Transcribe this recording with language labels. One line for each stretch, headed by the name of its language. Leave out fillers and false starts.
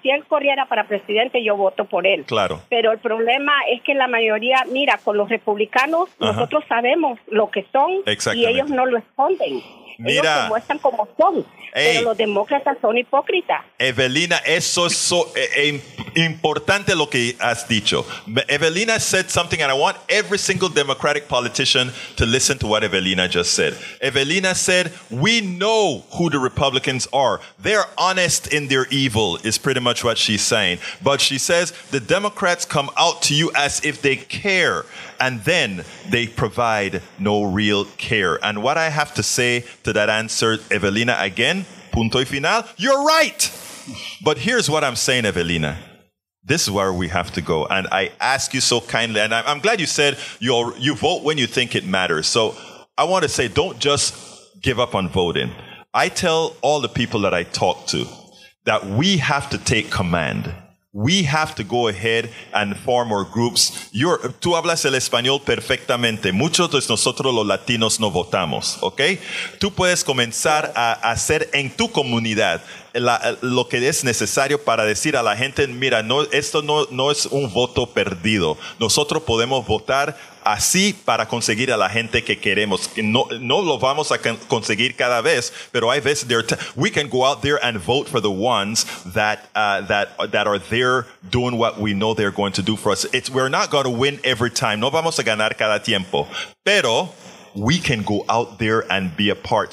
Spanish: Si él corriera para presidente, yo voto por él. Claro. Pero el problema es que la mayoría, mira, con los republicanos, uh-huh. nosotros sabemos lo que son y ellos no lo esconden. Mira, ellos se muestran como son, pero los demócratas son hipócritas. Evelina, eso es importante lo que has dicho.
English: Evelina said something, and I want every single Democratic politician to listen to what Evelina just said. Evelina said, we know who the Republicans are. They're honest in their evil, is pretty much what she's saying. But she says, the Democrats come out to you as if they care, and then they provide no real care. And what I have to say to that answer, Evelina, again,
Spanish: punto y final,
English: you're right. But here's what I'm saying, Evelina. This is where we have to go. And I ask you so kindly, and I'm glad you said you vote when you think it matters. So I want to say, don't just give up on voting. I tell all the people that I talk to that we have to take command. We have to go ahead and form our groups.
Spanish: Tú hablas el español perfectamente. Muchos de nosotros los latinos no votamos, ¿ok? Tú puedes comenzar a hacer en tu comunidad lo que es necesario para decir a la gente, mira, no, esto no es un voto perdido. Nosotros podemos votar así para conseguir a la gente que queremos. No lo vamos a conseguir cada vez, pero hay veces
English: we can go out there and vote for the ones that are there doing what we know they're going to do for us. We're not going to win every time.
Spanish: No vamos a ganar cada tiempo,
English: pero we can go out there and be a part.